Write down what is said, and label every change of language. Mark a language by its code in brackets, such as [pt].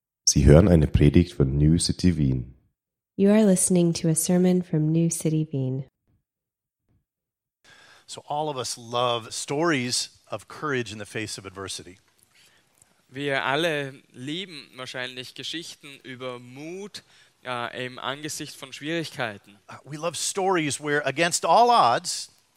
[de] Sie hören eine Predigt von New City Wien. [en] You are listening to a sermon from New City Wien. So all of us love stories of courage in the face of adversity. [de] Wir alle lieben wahrscheinlich Geschichten über Mut im Angesicht von Schwierigkeiten. [en] We love stories where against all odds.